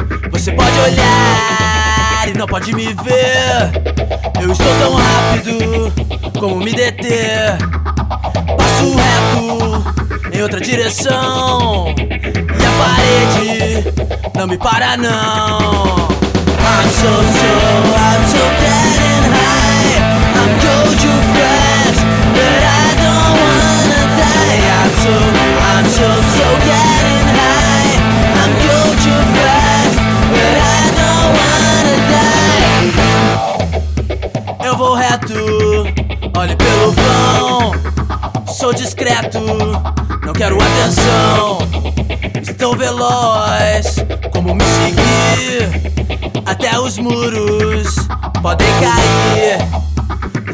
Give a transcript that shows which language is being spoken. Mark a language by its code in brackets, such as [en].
[pt] Você pode olhar e não pode me ver. Eu estou tão rápido, como me deter? Passo reto em outra direção. E a parede não me para não. [en] I'm so slow, I'm so bad and high. I'm going too fast, but I don't wanna die. I'm so bad and high. I'm going too fast, but I don't wanna die. [pt] Eu vou reto, olho pelo vão. Sou discreto, não quero atenção. Estou veloz, como me seguir? Até os muros podem cair.